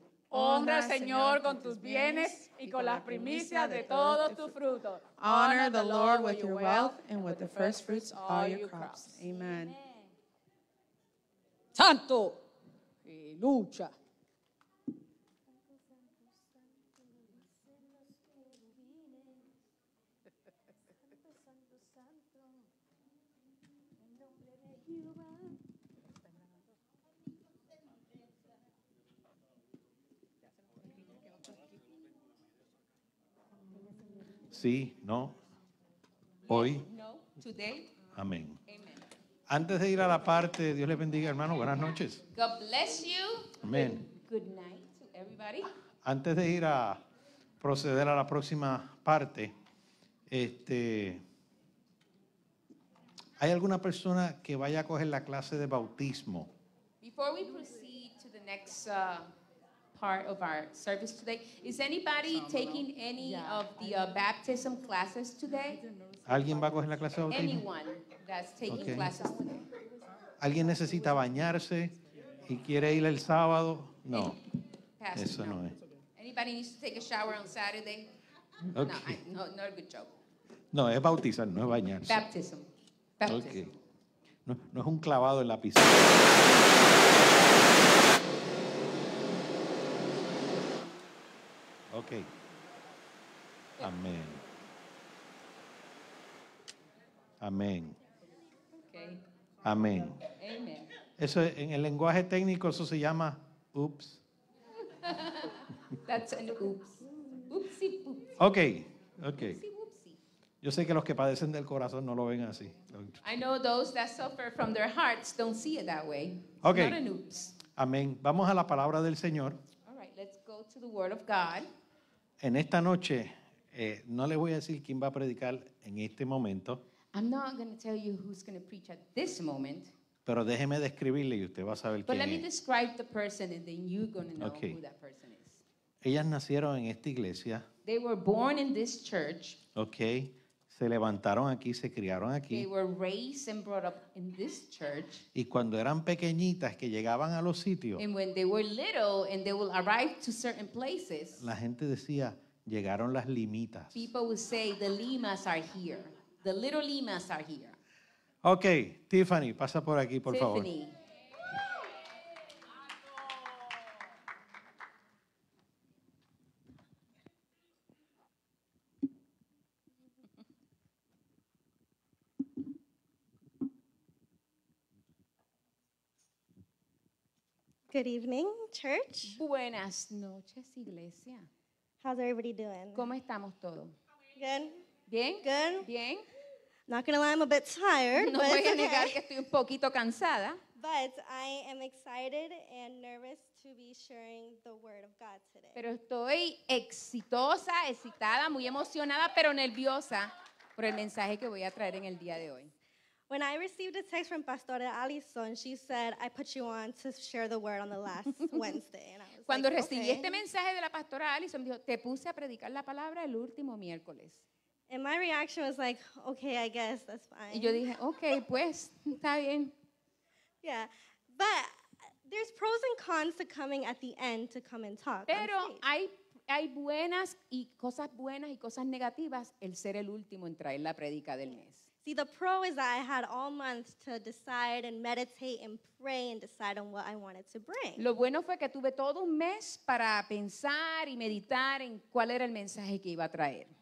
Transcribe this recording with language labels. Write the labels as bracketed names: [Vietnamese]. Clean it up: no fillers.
[Spanish] honra, Señor, con tus bienes y con las primicias de todos tus frutos. [English] Honor the Lord with your wealth and with the first fruits of all your crops. Amen. [Spanish] Santo y lucha. Sí, no, hoy, [English] no. Today. [Spanish] Amén. Antes de ir a la parte, Dios les bendiga, hermano, buenas noches. [English] God bless you. Amén. Good night to everybody. [Spanish] Antes de ir a proceder a la próxima parte, ¿hay alguna persona que vaya a coger la clase de bautismo? [English] Before we proceed to the next part of our service today. Is anybody taking any of the baptism classes today? [Spanish] ¿Alguien va a coger la clase de bautismo? [English] Anyone that's taking classes today. [Spanish] ¿Alguien necesita bañarse y quiere ir el sábado? No. Pastor, eso no. No es. [English] Anybody needs to take a shower on Saturday? Okay. No, not a good joke. [Spanish] No, es bautizar, no es bañarse. [English] Baptism. Baptism. Okay. [Spanish] No, no es un clavado en la piscina. Ok. Amén. Amén. Amén. Eso en el lenguaje técnico eso se llama oops. [English] That's an oops. Oopsie poopsie. Ok. [Spanish] Yo sé que los que padecen del corazón no lo ven así. [English] I know those that suffer from their hearts don't see it that way. Ok. Not an oops. [Spanish] Amén. Vamos a la palabra del Señor. [English] All right, let's go to the word of God. [Spanish] En esta noche, no le voy a decir quién va a predicar en este momento. [English] I'm not going to tell you who's going to preach at this moment. [Spanish] Pero déjeme describirle y usted va a saber [English] but [Spanish] quién es. [English] But let me describe the person and then you're going to know okay. Who that person is. [Spanish] Ellas nacieron en esta iglesia. [English] They were born in this church. [Spanish] Okay. Se levantaron aquí, se criaron aquí. [English] They were raised and brought up in this church. [Spanish] Y cuando eran pequeñitas que llegaban a los sitios. [English] And when they were little and they would arrive to certain places. [Spanish] La gente decía, llegaron las limitas. [English] People would say, the limas are here. The little limas are here. [Spanish] Okay, Tiffany, pasa por aquí, por Tiffany. Favor. Tiffany. [English] Good evening, church. [Spanish] Buenas noches, iglesia. [English] How's everybody doing? [Spanish] ¿Cómo estamos todos? [English] Good. [Spanish] Bien. [English] Good. [Spanish] Bien. [English] Not gonna lie, I'm a bit tired. [Spanish] No [English] but [Spanish] voy [English] it's [Spanish] a negar [English] okay. [Spanish] Que estoy un poquito cansada. [English] But I am excited and nervous to be sharing the word of God today. [Spanish] Pero estoy exitosa, excitada, muy emocionada, pero nerviosa por el mensaje que voy a traer en el día de hoy. [English] When I received a text from Pastora Allison, she said, I put you on to share the word on the last Wednesday. And I was [Spanish] cuando [English] like, [Spanish] recibí [English] okay. [Spanish] Este mensaje de la Pastora Allison, dijo, te puse a predicar la palabra el último miércoles. [English] And my reaction was like, okay, I guess that's fine. [Spanish] Y yo dije, okay, pues, está bien. [English] Yeah, but there's pros and cons to coming at the end to come and talk. [Spanish] Pero hay buenas y cosas negativas el ser el último en traer la predica del mes. [English] See, the pro is that I had all month to decide and meditate and pray and decide on what I wanted to bring. [Spanish] Lo bueno fue que tuve todo un mes para pensar y meditar en cuál era el mensaje que iba a traer.